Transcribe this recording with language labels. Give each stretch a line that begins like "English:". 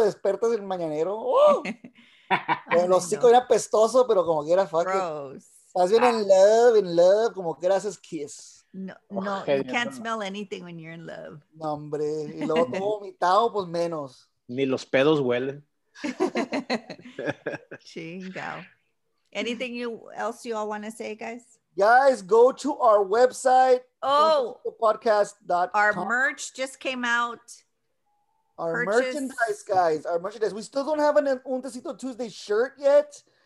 Spanish: Despertas el mañanero. El hocico era pestoso, pero como quiera, fuck
English: gross. It.
Spanish: Más bien
English: in love,
Spanish: como que haces kiss.
English: No, no, you can't smell anything when you're in love.
Spanish: No, hombre, y luego todo vomitado, pues menos. Ni los pedos huelen. Chingao.
English: Anything you else you all want to say, guys? Guys, go to our website. Oh, podcast.com. Our merch just came out. Our merchandise, guys. Our merchandise. We still don't have an Untecito Tuesday shirt yet.